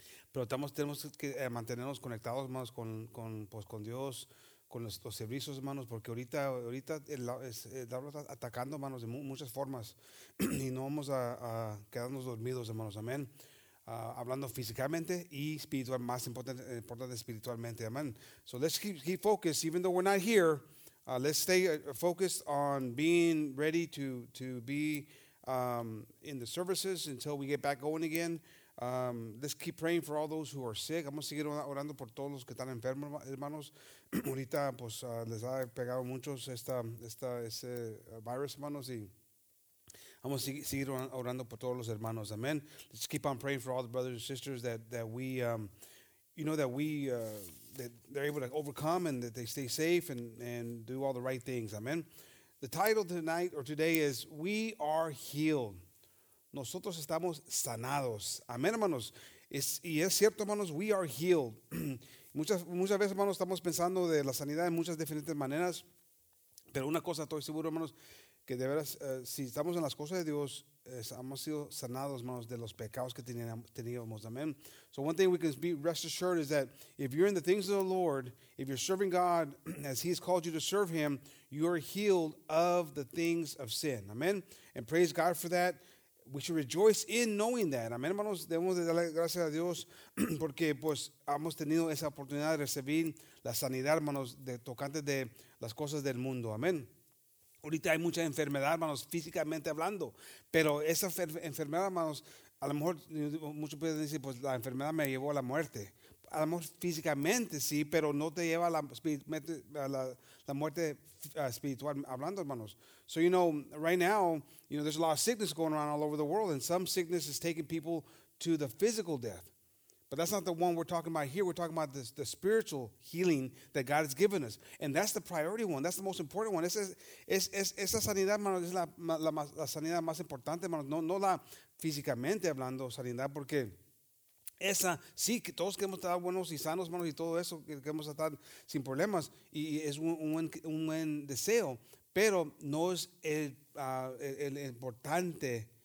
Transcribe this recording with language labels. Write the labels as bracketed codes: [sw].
[es] Pero tenemos que mantenernos conectados, hermanos, con Dios, con los servicios, hermanos, porque ahorita el diablo está atacando, hermanos, de muchas formas. Y no vamos a quedarnos dormidos, hermanos, amén. Hablando físicamente y espiritual, más importante espiritualmente, amen. [en] So let's keep focused, even though we're not here. Let's stay focused on being ready to be in the services until we get back going again. Let's keep praying for all those who are sick. [es] Vamos a seguir orando por todos los que están enfermos, hermanos. Ahorita, pues, les ha pegado muchos este virus, hermanos, y vamos a seguir orando por todos los hermanos. Amen. [en] Let's keep on praying for all the brothers and sisters that they're able to overcome and that they stay safe and do all the right things. Amen. The title tonight or today is We Are Healed. [es] Nosotros estamos sanados. Amen, hermanos. Es cierto, hermanos, [en] we are healed. [es] muchas veces, hermanos, estamos pensando de la sanidad en muchas diferentes maneras. Pero una cosa estoy seguro, hermanos, que de veras, si estamos en las cosas de Dios, hemos sido sanados, hermanos, de los pecados que teníamos. Amen. [en] So one thing we can be rest assured is that if you're in the things of the Lord, if you're serving God as He has called you to serve Him, you are healed of the things of sin. Amen. And praise God for that. We should rejoice in knowing that. Amen, hermanos. [es] Debemos de darle gracias a Dios porque pues hemos tenido esa oportunidad de recibir la sanidad, hermanos, de tocante de las cosas del mundo. Amen. Ahorita hay mucha enfermedad, hermanos, físicamente hablando. Pero esa enfermedad, hermanos, a lo mejor muchos pueden decir, pues la enfermedad me llevó a la muerte. A lo mejor físicamente sí, pero no te lleva a la muerte espiritual hablando, hermanos. [en] So, you know, right now, you know, there's a lot of sickness going around all over the world, and some sickness is taking people to the physical death. But that's not the one we're talking about here. We're talking about the spiritual healing that God has given us. And that's the priority one. That's the most important one. [es] Esa sanidad, hermanos, es la sanidad más importante, hermanos. No la físicamente hablando sanidad, porque esa, sí, que todos queremos estar buenos y sanos, hermanos, y todo eso, que queremos estar sin problemas. Y es un buen deseo, pero no es el importante.